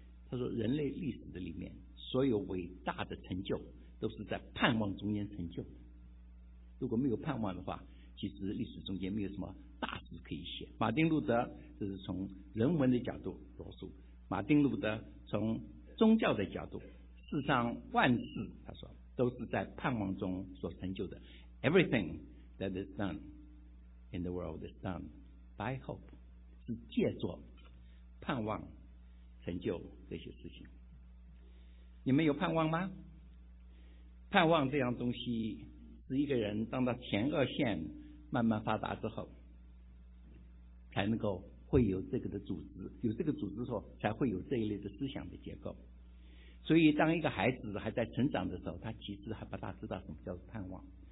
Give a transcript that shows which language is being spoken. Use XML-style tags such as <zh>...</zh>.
<zh>他说人类历史的里面所有伟大的成就都是在盼望中间成就的，如果没有盼望的话，其实历史中间没有什么大事可以写。马丁路德这是从人文的角度罗素，马丁路德从宗教的角度，世上万事他说都是在盼望中所成就的。</zh> <en>Everything that is done in the world is done by hope，</en> <zh>是借着盼望成就这些事情。你们有盼望吗？盼望这样东西是一个人当他前额线慢慢发达之后才能够会有这个的组织，有这个组织之后才会有这一类的思想的结构。所以当一个孩子还在成长的时候，他其实还不大知道什么叫做盼望。</zh>